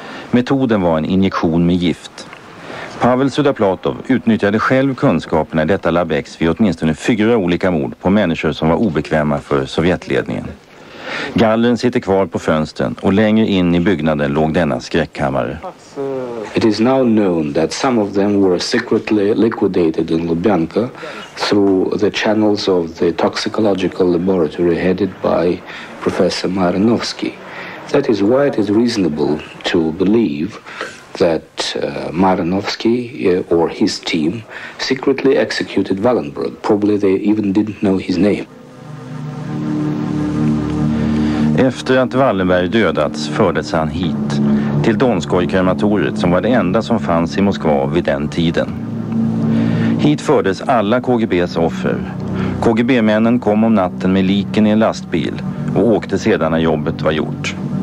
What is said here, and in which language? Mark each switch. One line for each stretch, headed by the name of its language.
Swedish: Metoden var en injektion med gift. Pavel Sudaplatov utnyttjade själv kunskaperna i detta Lab X vid åtminstone 4 olika mord på människor som var obekväma för sovjetledningen. Gallren sitter kvar på fönstren och längre in i byggnaden låg denna skräckkammare.
English: It is now known that some of them were secretly liquidated in Lubyanka through the channels of the toxicological laboratory headed by Professor Marinovsky. That is why it is reasonable to believe that Marinovsky or his team secretly executed Wallenberg. Probably they even didn't know his name.
Swedish: Efter att Wallenberg dödats fördes han hit till Donskoj-krematoriet som var det enda som fanns i Moskva vid den tiden. Hit fördes alla KGBs offer. KGB-männen kom om natten med liken i en lastbil och åkte sedan när jobbet var gjort.